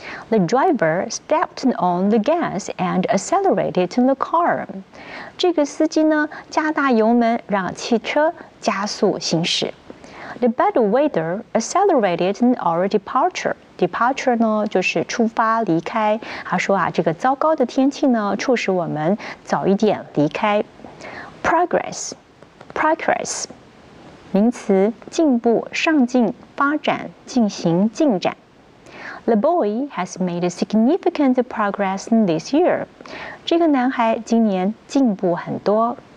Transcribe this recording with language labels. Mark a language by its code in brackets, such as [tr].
[en] The driver stepped on the gas and accelerated the car. [zh] 这个司机呢加大油门让汽车加速行驶。 [en] The bad weather accelerated our departure. [zh] Departure 呢就是出发离开，他说啊这个糟糕的天气呢促使我们早一点离开。 Progress名词，进步、上进、发展、进行、进展。 [en] The boy has made significant progress this year. [zh] 这个男孩今年进步很多。